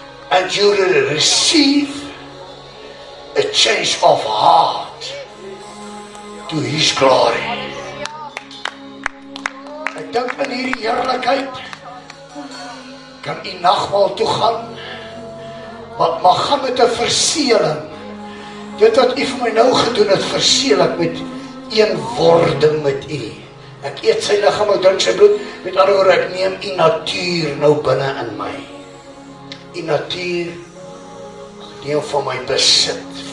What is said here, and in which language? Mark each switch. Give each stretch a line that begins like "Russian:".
English: And you will receive a change of heart to His glory.
Afrikaans: Ek dink in hierdie heerlikheid kan u nagmaal toe gaan, wat mag gaan met 'n verseëling. Dit wat u vir my nou gedoen het, verseël ek met een wording met u. Ek eet sy liggaam, ek drink sy bloed, met ander woorde, ek neem u natuur nou binne in my. U natuur deel van my besit.